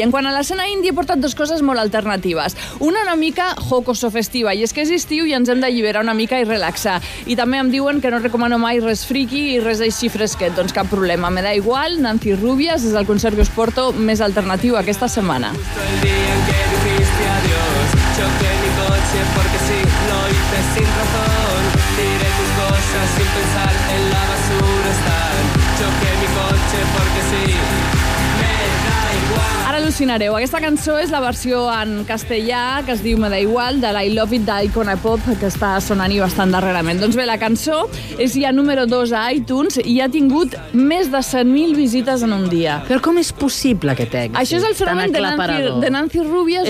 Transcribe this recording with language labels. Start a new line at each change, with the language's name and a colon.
Catalan: I en quant a l'escena indie, he portat dues coses molt alternatives. Una mica jocoso festiva, i és que és estiu i ens hem d'alliberar una mica i relaxar. I també em diuen que no recomano mai res friki i res així fresquet. Doncs cap problema,
Spanish: me da igual.
Catalan: Nancy Rubias és el concert que us porto més alternatiu aquesta setmana.
Spanish: El dia en què dijiste adiós, choqué mi coche porque sí, lo hice sin razón. Tiré tus cosas sin pensar en la basura estar. Choqué mi coche porque sí.
Catalan: Ara al·lucinareu. Aquesta cançó és la versió en castellà, que es diu Me da igual, de la I Love It d'Icona Pop, que està sonant i bastant darrerament. Doncs bé, la cançó és ja número 2 a iTunes i ha tingut més de 100.000 visites en un dia. Però com és possible que tingui? Això és el fenomen de Nancy Rubias,